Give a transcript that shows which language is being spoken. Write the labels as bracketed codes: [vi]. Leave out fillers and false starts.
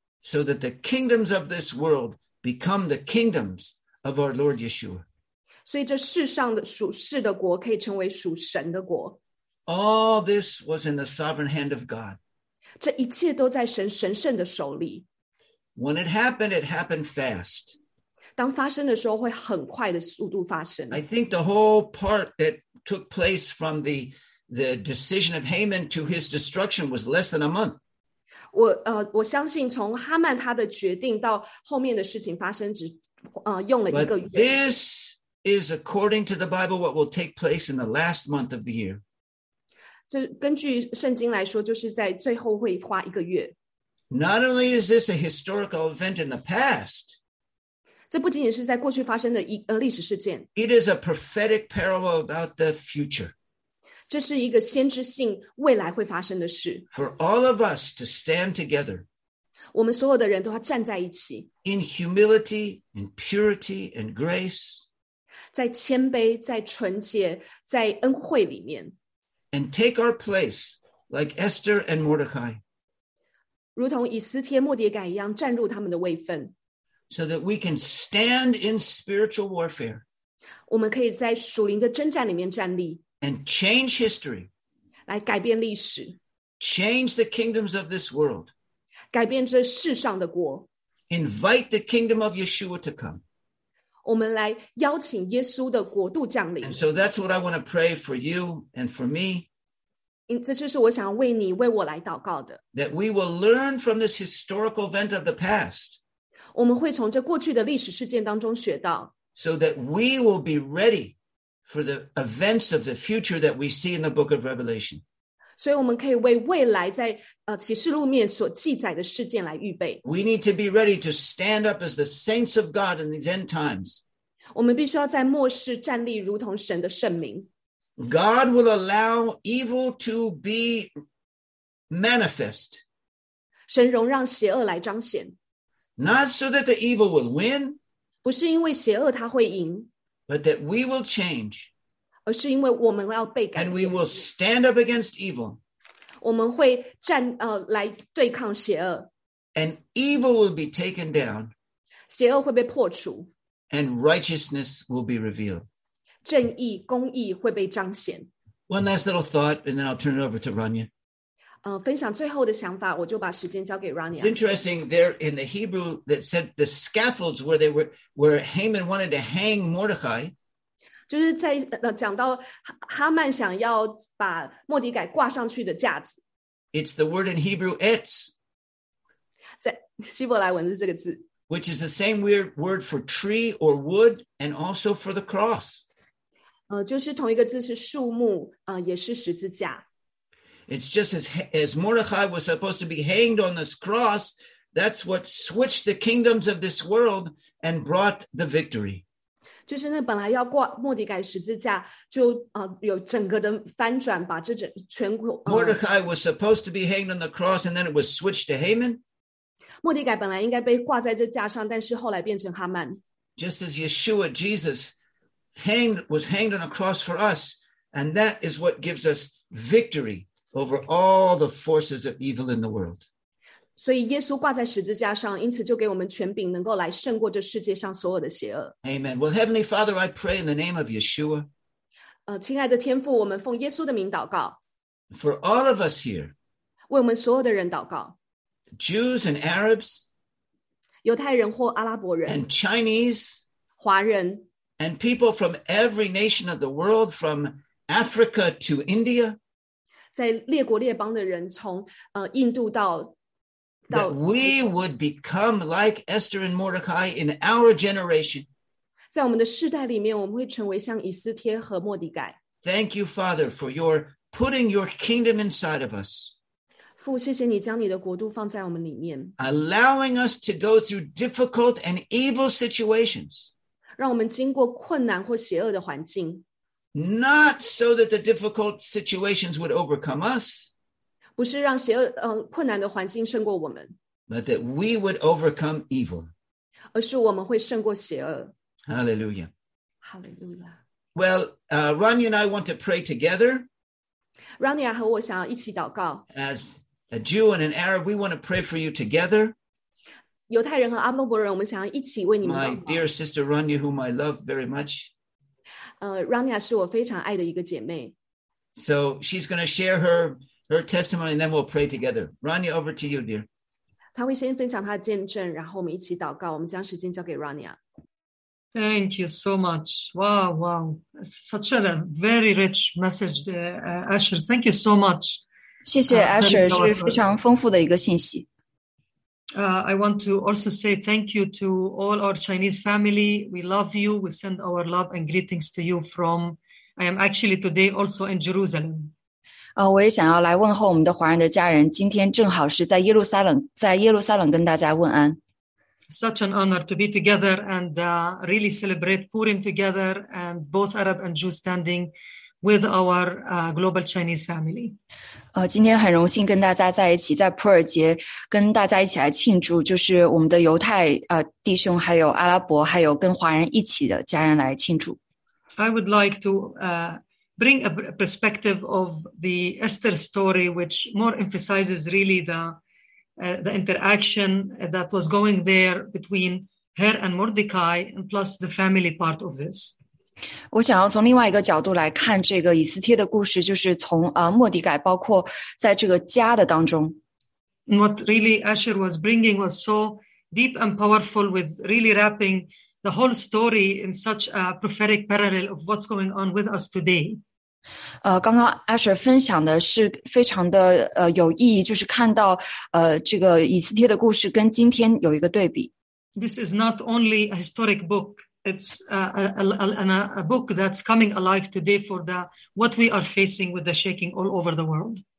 [en] So that the kingdoms of this world become the kingdoms of our Lord Yeshua. [zh] 所以这世上的属世的国可以成为属神的国。 [en] All this was in the sovereign hand of God. [zh] 这一切都在神神圣的手里。 [en] When it happened fast. [zh] 当发生的时候会很快的速度发生。 [en] I think the whole part that took place from the decision of Haman to his destruction was less than a month. [zh] 我相信从哈曼他的决定到后面的事情发生只用了一个月。 [en] But this is according to the Bible what will take place in the last month of the year. [zh] 根据圣经来说就是在最后会花一个月。 [en] Not only is this a historical event in the past, [zh] 这不仅仅是在过去发生的历史事件。 [en] It is a prophetic parable about the future. [zh] 这是一个先知性未来会发生的事。 [en] For all of us to stand together, [zh] 我们所有的人都要站在一起。 [en] In humility, in purity, and grace, [zh] 在谦卑，在纯洁，在恩惠里面。 [en] And take our place, like Esther and Mordecai, [zh] 如同以斯帖、莫迭改一样，站入他们的位分。 [en] So that we can stand in spiritual warfare, [zh] 我们可以在属灵的征战里面站立。 [en] And change history. [zh] 来改变历史。 [en] Change the kingdoms of this world. [zh] 改变这世上的国。 [en] Invite the kingdom of Yeshua to come. [zh] 我们来邀请耶稣的国度降临。 [en] And so that's what I want to pray for you and for me. [zh] 这就是我想为你，为我来祷告的。 [en] That we will learn from this historical event of the past. [zh] 我们会从这过去的历史事件当中学到。 [en] So that we will be ready. For the events of the future that we see in the book of Revelation. [zh] 所以我们可以为未来在启示录面所记载的事件来预备。 [en] We need to be ready to stand up as the saints of God in these end times. [zh] 我们必须要在末世站立如同神的圣民。 [en] God will allow evil to be manifest. [zh] 神容让邪恶来彰显。 [en] Not so that the evil will win. [zh] 不是因为邪恶他会赢。 [en] But that we will change. [zh] 而是因为我们要被改变。 [en] And we will stand up against evil. [zh] 我们会站来对抗邪恶。 [en] And evil will be taken down. [zh] 邪恶会被破除。 [en] And righteousness will be revealed. [zh] 正义、公义会被彰显。 [en] One last little thought, and then I'll turn it over to Rania. [zh] 分享最后的想法，我就把时间交给 Rania. [en] It's interesting there in the Hebrew that said the scaffolds where they were, where Haman wanted to hang Mordecai. [zh] 就是在讲到哈曼想要把莫迪改挂上去的架子。 [en] It's the word in Hebrew etz. [zh] 在希伯来文是这个字。 [en] Which is the same weird word for tree or wood and also for the cross. [zh] 就是同一个字是树木，也是十字架。 [en] It's just as Mordecai was supposed to be hanged on this cross, that's what switched the kingdoms of this world and brought the victory. [zh] 就是那本来要挂莫迪改十字架，就有整个的翻转，把这整全国。 [en] Mordecai was supposed to be hanged on the cross, and then it was switched to Haman. [zh] 莫迪改本来应该被挂在这架上，但是后来变成哈曼。 [en] Just as Yeshua Jesus was hanged on the cross for us, and that is what gives us victory. Over all the forces of evil in the world. [zh] 所以耶稣挂在十字架上，因此就给我们权柄，能够来胜过这世界上所有的邪恶。 [en] Amen. Well, Heavenly Father, I pray in the name of Yeshua. [zh] 亲爱的天父，我们奉耶稣的名祷告。 [en] For all of us here. [zh] 为我们所有的人祷告。 [en] Jews and Arabs. [zh] 犹太人或阿拉伯人。 [en] And Chinese. [zh] 华人。 [en] And people from every nation of the world, from Africa to India. [zh] 在列国列邦的人从印度到 [en] That we would become like Esther and Mordecai in our generation. [zh] 在我们的世代里面，我们会成为像以斯帖和莫迪改。 [en] Thank you, Father, for your putting your kingdom inside of us. [zh] 父，谢谢你将你的国度放在我们里面。 [en] Allowing us to go through difficult and evil situations. [zh] 让我们经过困难或邪恶的环境。 [en] Not so that the difficult situations would overcome us. [zh] 不是让邪恶困难的环境胜过我们。 [en] But that we would overcome evil. [zh] 而是我们会胜过邪恶。 [en] Hallelujah. Hallelujah. Well, Rania and I want to pray together. [zh] Rania 和我想要一起祷告。 [en] As a Jew and an Arab, we want to pray for you together. [zh] 犹太人和阿拉伯人，我们想要一起为你们祷告。 [en] My dear sister Rania, whom I love very much. [zh] Rania 是我非常爱的一个姐妹。 [en] So she's going to share her testimony, and then we'll pray together. Rania, over to you, dear. [zh] 她会先分享她的见证，然后我们一起祷告。我们将时间交给 Rania。 [en] Thank you so much. Wow, such a very rich message, Asher. Thank you so much. [zh] 谢谢 Asher， 是非常丰富的一个信息。 [en] I want to also say thank you to all our Chinese family. We love you. We send our love and greetings to you from. I am actually today also in Jerusalem. [zh] 我也想要来问候我们的华人的家人。今天正好是在耶路撒冷跟大家问安。 [en] Such an honor to be together and really celebrate Purim together, and both Arab and Jew standing with our global Chinese family. [zh] 今天很荣幸跟大家在一起，在普尔节跟大家一起来庆祝，就是我们的犹太弟兄，还有阿拉伯，还有跟华人一起的家人来庆祝。 [en] I would like to bring a perspective of the Esther story, which more emphasizes really the interaction that was going there between her and Mordecai, and plus the family part of this. [zh] 我想要从另外一个角度来看这个以斯帖的故事，就是从莫迪改，包括在这个家的当中。 [en] And what really Esther was bringing was so deep and powerful, with really wrapping the whole story in such a prophetic parallel of what's going on with us today. [zh] 刚刚 Asher 分享的是非常的有意义，就是看到这个以斯帖的故事跟今天有一个对比。 [en] This is not only a historic book, it's a book that's coming alive today for the what we are facing with the shaking all over the world.